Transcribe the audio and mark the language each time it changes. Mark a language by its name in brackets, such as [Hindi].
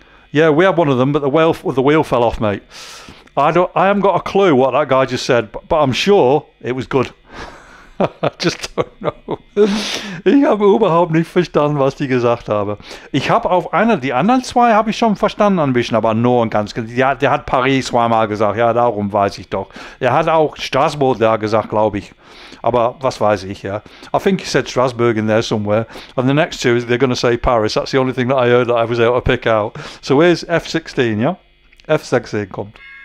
[English] Yeah, we had one of them, but the wheel fell off, mate. I haven't got a clue what that guy just said, but I'm sure it was good. I just don't know. [German] Ich habe überhaupt nicht verstanden, was die gesagt habe. Ich habe auf einer, die anderen zwei habe ich schon verstanden ein bisschen, aber nur ein ganz, der hat Paris zweimal gesagt, ja, darum weiß ich doch. Er hat auch Straßburg da gesagt, glaube ich. Aber was weiß ich, ja. [English] I think he said Strasbourg in there somewhere. And the next two, they're going to say Paris. That's the only thing that I heard that I was able to pick out. So where's F16, ja? [German] F16 kommt.